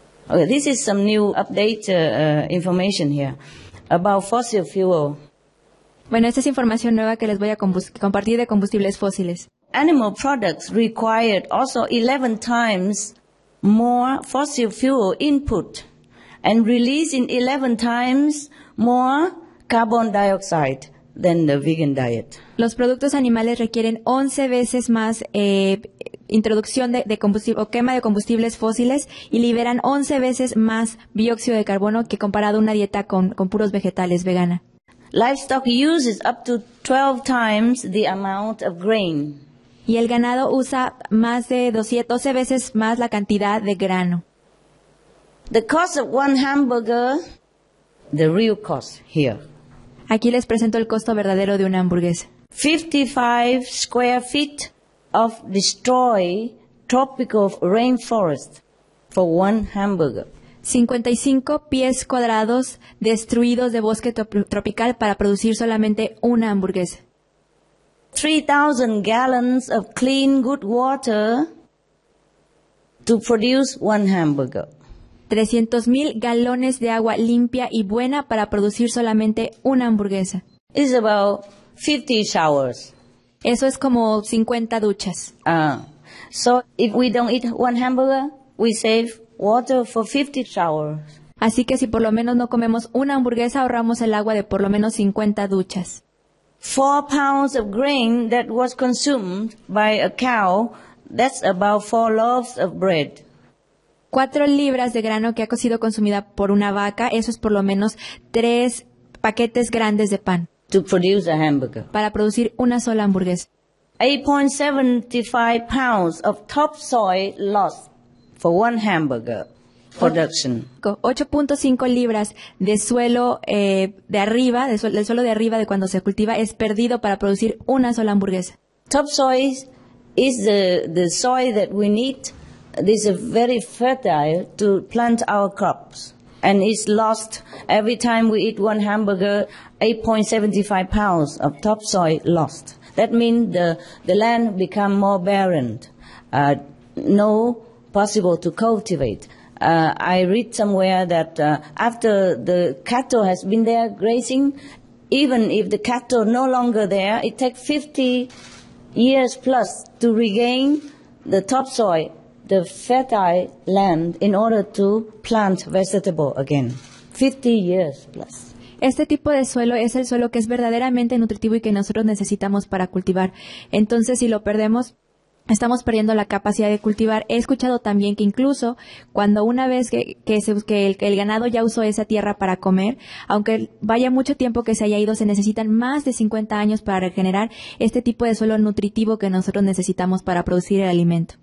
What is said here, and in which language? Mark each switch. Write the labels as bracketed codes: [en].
[en] Okay, this is some new update information here about fossil fuel. [es] Bueno, esta es información nueva que les voy a compartir de combustibles fósiles. [en] Animal products required also 11 times more fossil fuel input and releasing 11 times more carbon dioxide than the vegan diet. [es] Los productos animales requieren 11 veces más introducción de combustible o quema de combustibles fósiles y liberan 11 veces más dióxido de carbono que comparado a una dieta con puros vegetales vegana. [en] Livestock uses up to 12 times the amount of grain. [es] Y el ganado usa más de 12 veces más la cantidad de grano. [en] The cost of one hamburger, the real cost here. [es] Aquí les presento el costo verdadero de una hamburguesa. [en] 55 square feet of destroyed tropical rainforest for one hamburger. [es] 55 pies cuadrados destruidos de bosque tropical para producir solamente una hamburguesa. [en] 3,000 gallons of clean, good water to produce one hamburger. [es] 300,000 galones de agua limpia y buena para producir solamente una hamburguesa. [en] It's about 50 showers. [es] Eso es como 50 duchas. [en] So if we don't eat one hamburger, we save water for 50 showers. [es] Así que si por lo menos no comemos una hamburguesa, ahorramos el agua de por lo menos 50 duchas. [en] 4 pounds of grain that was consumed by a cow, that's about 4 loaves of bread. [es] 4 libras de grano que ha sido consumida por una vaca, eso es por lo menos 3 paquetes grandes de pan. [en] To produce a hamburger. [es] Para producir una sola hamburguesa. [en] 8.75 pounds of topsoil lost for one hamburger production. [es] 8.5 libras de suelo de arriba, del suelo de arriba de cuando se cultiva, es perdido para producir una sola hamburguesa. [en] Topsoil is the soil that we need. This is very fertile to plant our crops. And it's lost every time we eat one hamburger, 8.75 pounds of topsoil lost. That means the land become more barren, no possible to cultivate. I read somewhere that after the cattle has been there grazing, even if the cattle no longer there, it takes 50 years plus to regain the topsoil, the fertile land, in order to plant vegetable again. 50 years plus. [es] Este tipo de suelo es el suelo que es verdaderamente nutritivo y que nosotros necesitamos para cultivar. Entonces, si lo perdemos, estamos perdiendo la capacidad de cultivar. He escuchado también que incluso cuando una vez que el ganado ya usó esa tierra para comer, aunque vaya mucho tiempo que se haya ido, se necesitan más de 50 años para regenerar este tipo de suelo nutritivo que nosotros necesitamos para producir el alimento.